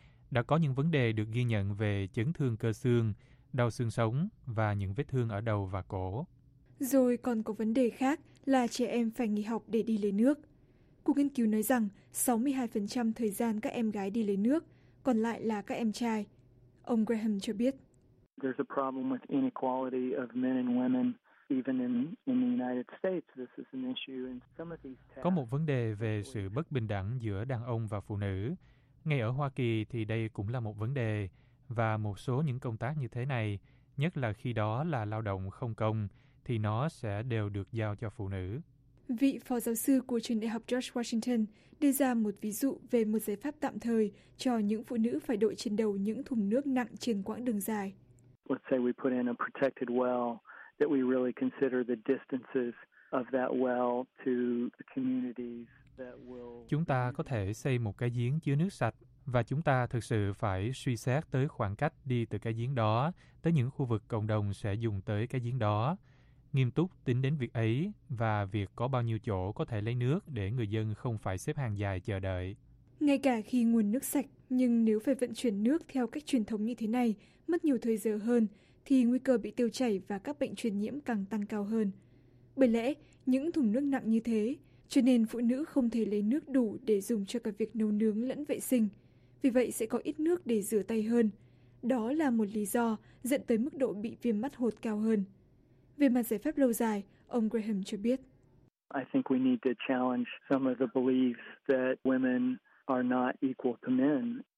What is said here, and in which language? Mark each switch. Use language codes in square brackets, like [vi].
[vi] Đã có những vấn đề được ghi nhận về chấn thương cơ xương, đau xương sống và những vết thương ở đầu và cổ. Rồi còn có vấn đề khác là trẻ em phải nghỉ học để đi lấy nước. Cuộc nghiên cứu nói rằng 62% thời gian các em gái đi lấy nước, còn lại là các em trai. Ông Graham cho biết. [en] There's a problem with inequality of men and women. [vi] Có một vấn đề về sự bất bình đẳng giữa đàn ông và phụ nữ. Ngay ở Hoa Kỳ thì đây cũng là một vấn đề, và một số những công tác như thế này, nhất là khi đó là lao động không công, thì nó sẽ đều được giao cho phụ nữ. Vị phó giáo sư của trường đại học George Washington đưa ra một ví dụ về một giải pháp tạm thời cho những phụ nữ phải đội trên đầu những thùng nước nặng trên quãng đường dài. [en] Let's say we put in a protected well. That we really consider the distances of that well to the communities that will. [vi] Chúng ta có thể xây một cái giếng chứa nước sạch và chúng ta thực sự phải suy xét tới khoảng cách đi từ cái giếng đó tới những khu vực cộng đồng sẽ dùng tới cái giếng đó, nghiêm túc tính đến việc ấy và việc có bao nhiêu chỗ có thể lấy nước để người dân không phải xếp hàng dài chờ đợi. Ngay cả khi nguồn nước sạch, nhưng nếu phải vận chuyển nước theo cách truyền thống như thế này, mất nhiều thời giờ hơn, thì nguy cơ bị tiêu chảy và các bệnh truyền nhiễm càng tăng cao hơn. Bởi lẽ, những thùng nước nặng như thế, cho nên phụ nữ không thể lấy nước đủ để dùng cho cả việc nấu nướng lẫn vệ sinh. Vì vậy, sẽ có ít nước để rửa tay hơn. Đó là một lý do dẫn tới mức độ bị viêm mắt hột cao hơn. Về mặt giải pháp lâu dài, ông Graham cho biết. [en] I think we need to challenge some of the beliefs that women are not equal to men.